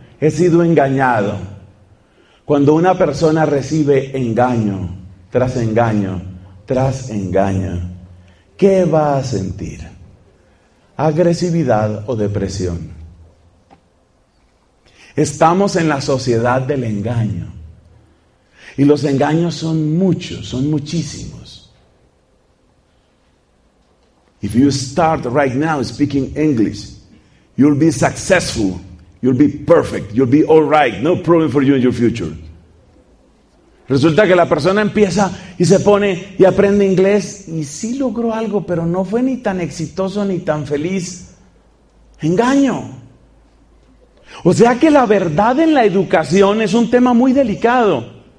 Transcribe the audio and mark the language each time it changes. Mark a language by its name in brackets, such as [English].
[Spanish] He sido engañado. Cuando una persona recibe engaño tras engaño tras engaño, ¿qué va a sentir? ¿Agresividad o depresión? Estamos en la sociedad del engaño. Y los engaños son muchos, son muchísimos. [English] If you start right now speaking English, you'll be successful, you'll be perfect, you'll be all right, no problem for you in your future. [Spanish] Resulta que la persona empieza y se pone y aprende inglés y sí logró algo, pero no fue ni tan exitoso ni tan feliz. Engaño. O sea que la verdad en la educación es un tema muy delicado.